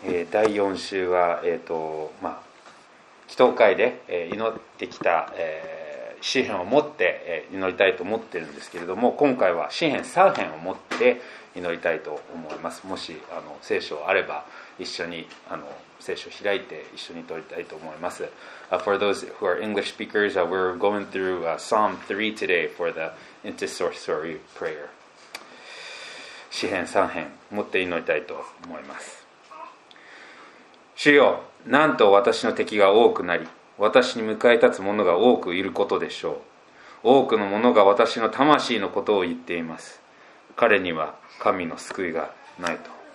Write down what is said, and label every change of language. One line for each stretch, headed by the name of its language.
Japanese: 第4週は、祈祷会で、祈ってきた、詩編を持って、祈りたいと思ってるんですけれども、今回は詩編3編を持って祈りたいと思います。もし聖書あれば一緒に聖書を開いて一緒に取りたいと思います。
English: For those who are English speakers, we're going through Psalm 3 today for the intercessory prayer.
Japanese: 詩編3編持って祈りたいと思います。主よ、なんと私の敵が多くなり、私に向かい立つ者が多くいることでしょう。多くの者が私の魂のことを言っています。彼には神の救いがないと。